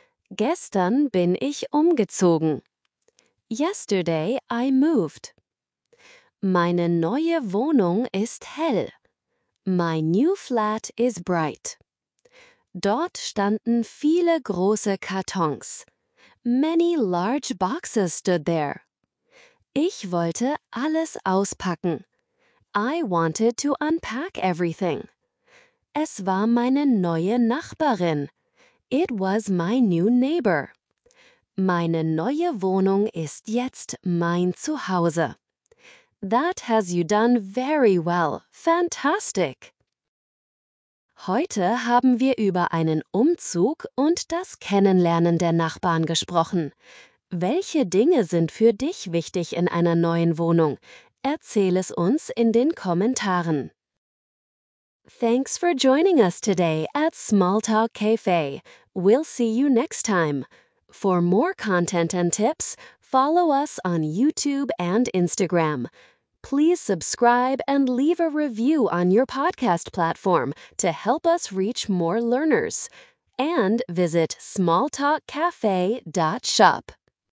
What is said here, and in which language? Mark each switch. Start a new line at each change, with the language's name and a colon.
German: Gestern bin ich umgezogen.
English: Yesterday I moved.
German: Meine neue Wohnung ist hell.
English: My new flat is bright.
German: Dort standen viele große Kartons.
English: Many large boxes stood there.
German: Ich wollte alles auspacken.
English: I wanted to unpack everything.
German: Es war meine neue Nachbarin.
English: It was my new neighbor.
German: Meine neue Wohnung ist jetzt mein Zuhause.
English: That has you done very well. Fantastic!
German: Heute haben wir über einen Umzug und das Kennenlernen der Nachbarn gesprochen. Welche Dinge sind für dich wichtig in einer neuen Wohnung? Erzähl es uns in den Kommentaren.
English: Thanks for joining us today at Small Talk Cafe. We'll see you next time. For more content and tips, follow us on YouTube and Instagram. Please subscribe and leave a review on your podcast platform to help us reach more learners. And visit smalltalkcafe.shop.